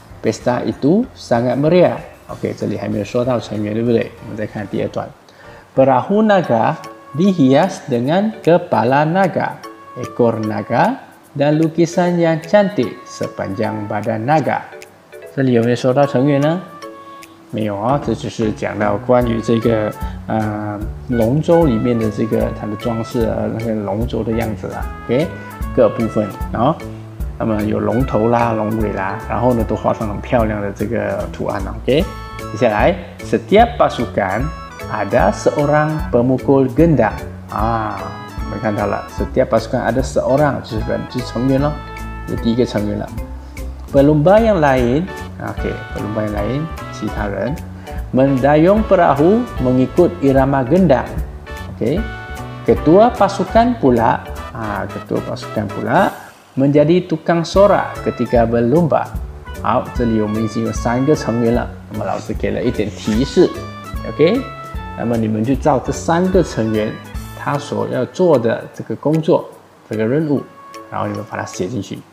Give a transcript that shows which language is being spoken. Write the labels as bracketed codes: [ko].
[ms] Pesta itu sangat meriah. [zh] OK， 这里还没有说到成员，对不对？我们再看第二段。 [ms] Perahu naga dihias dengan kepala naga, ekor naga, dan lukisan yang cantik sepanjang badan naga. [zh] 这里有没有说到成员呢？没有啊，这就是讲到关于这个龙舟里面的这个它的装饰啊，那个龙舟的样子啊， OK， 各部分啊，那么有龙头啦，龙尾啦，然后呢都画上很漂亮的这个图案啊， OK。接下来 [ms] setiap pasukan ada seorang pemukul gendang， [zh] 啊，我们看到了 [ms] setiap pasukan ada seorang， [zh] 就是成员了，就第一个成员了。 [ms] pelumba yang lain， OK， pelumba yang lain， [zh] 其他人 [ms] mendayung perahu mengikut irama gendang. OK， ketua pasukan pula， ketua pasukan pula menjadi tukang sorak ketika berlumba. [zh] 好，这里我们已经有三个成员了，那么老师给了一点提示。 OK， 那么你们就照这三个成员他所要做的这个工作，这个任务，然后你们把它写进去。